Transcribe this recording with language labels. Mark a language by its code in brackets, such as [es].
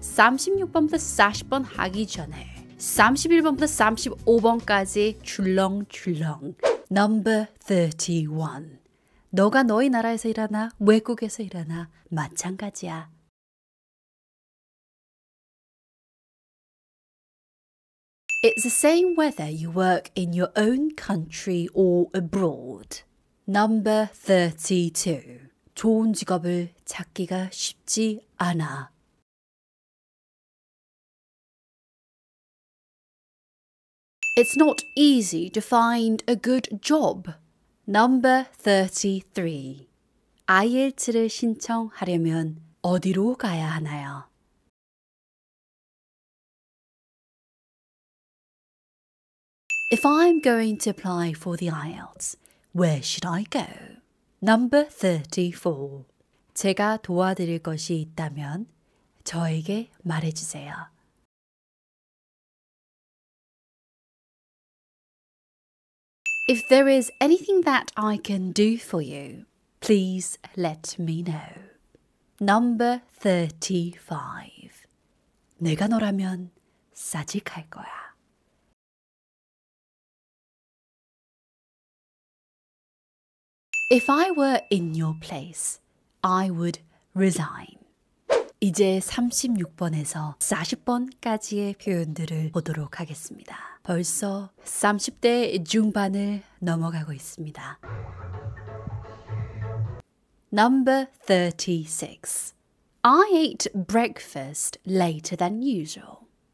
[ko] 36번부터 40번 하기 전에 31번부터 35번까지 출렁출렁 Number 31 너가 너희 나라에서 일하나 외국에서 일하나 마찬가지야. [en] It's the same whether you work in your own country or abroad. Number 32. [ko] 좋은 직업을 찾기가 쉽지 않아. [en] It's not easy to find a good job. Number 33. [ko] IELTS를 신청하려면 어디로 가야 하나요? [en] If I'm going to apply for the IELTS, where should I go? Number 34. [ko] 제가 도와드릴 것이 있다면 저에게 말해주세요. [en] If there is anything that I can do for you, please let me know. Number 35. [ko] 내가 너라면 사직할 거야. [en] If I were in your place, I would resign. [ko] 이제 36번에서 40번까지의 표현들을 보도록 하겠습니다. 벌써 30대 중반을 넘어가고 있습니다. [en] Number 36. I ate breakfast later than usual.